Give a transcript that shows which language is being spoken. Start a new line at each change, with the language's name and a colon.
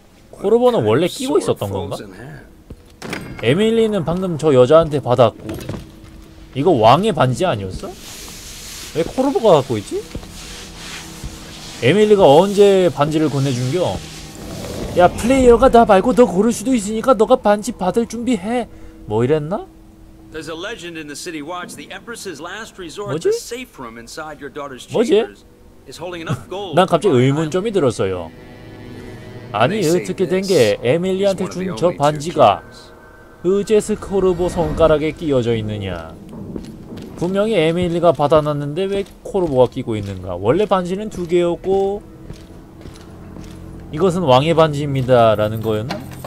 Korean: 코르보는 원래 끼고 있었던 건가? 에밀리는 방금 저 여자한테 받았고, 이거 왕의 반지 아니었어? 왜 코르보가 갖고 있지? 에밀리가 언제 반지를 건네준겨? 야, 플레이어가 나 말고 너 고를 수도 있으니까 너가 반지 받을 준비해. 뭐 이랬나?
English: There's a legend in the city watch the Empress's last resort, the safe room inside your daughter's chambers is holding enough gold.
Korean: 난 갑자기 의문점이 들었어요. 아니, 어떻게 된 게 에밀리한테 준 저 반지가 의제스 코르보 손가락에 끼어져 있느냐? 분명히 에밀리가 받아놨는데 왜 코르보가 끼고 있는가? 원래 반지는 두 개였고 이것은 왕의 반지입니다라는 거였나?